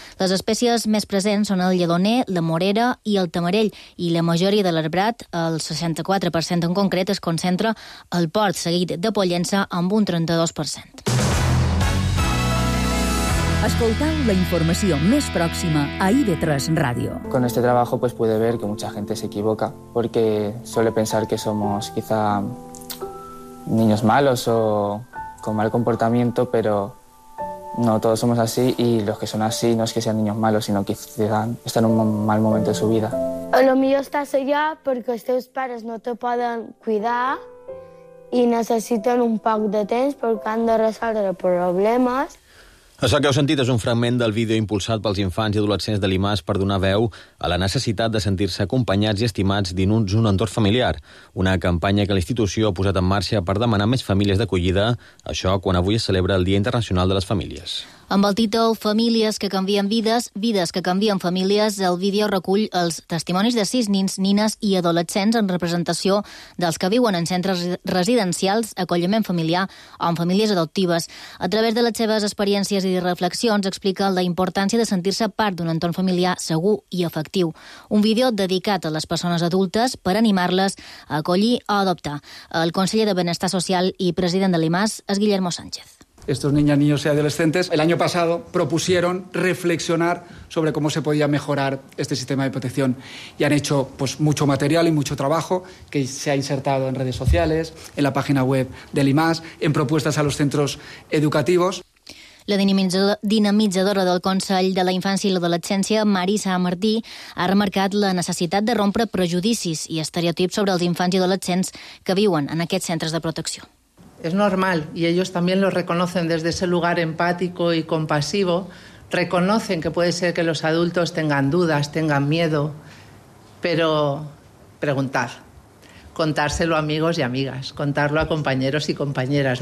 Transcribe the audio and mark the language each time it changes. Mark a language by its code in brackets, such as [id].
[ca] Les espècies més presents són el lledoner, la morera i el tamarell, i la majoria de l'arbrat, el 64% en concret, es concentra al port, seguit de Pollença, amb un 32%. Escoltau la informació més pròxima a IB3 Ràdio. [es] Con este trabajo pues puede ver que mucha gente se equivoca porque suele pensar que somos quizá niños malos o con mal comportamiento, pero no todos somos así y los que son así no es que sean niños malos, sino que están en un mal momento de su vida. A lo mejor estás allá porque los [ca] teus pares [es] no te pueden cuidar [ca] i necessiten un poc de temps perquè han de resoldre problemes. Això que heu sentit és un fragment del vídeo impulsat pels infants i adolescents de l'IMAS per donar veu a la necessitat de sentir-se acompanyats i estimats dins un entorn familiar. Una campanya que l'institució ha posat en marxa per demanar més famílies d'acollida, això quan avui es celebra el Dia Internacional de les Famílies. Amb el títol Famílies que canvien vides, vides que canvien famílies, el vídeo recull els testimonis de 6 nins, nines i adolescents en representació dels que viuen en centres residencials, acolliment familiar o en famílies adoptives. A través de les seves experiències i reflexions explica la importància de sentir-se part d'un entorn familiar segur i efectiu. Un vídeo dedicat a les persones adultes per animar-les a acollir o adoptar. El conseller de Benestar Social i president de l'IMAS és Guillermo Sánchez. [es] Estos niñas, niños y adolescentes el año pasado propusieron reflexionar sobre cómo se podía mejorar este sistema de protección y han hecho pues mucho material y mucho trabajo que se ha insertado en redes sociales, en la página web del IMAS, en propuestas a los centros educativos. [ca] La dinamitzadora del Consell de la Infància i l'Adolescència, Marisa Martí, ha remarcat la necessitat de rompre prejudicis i estereotips sobre els infants i adolescents que viuen en aquests centres de protecció. [es] Es normal y ellos también lo reconocen desde ese lugar empático y compasivo. Reconocen que puede ser que los adultos tengan dudas, tengan miedo, pero preguntar, contárselo a amigos y amigas, contarlo a compañeros y compañeras.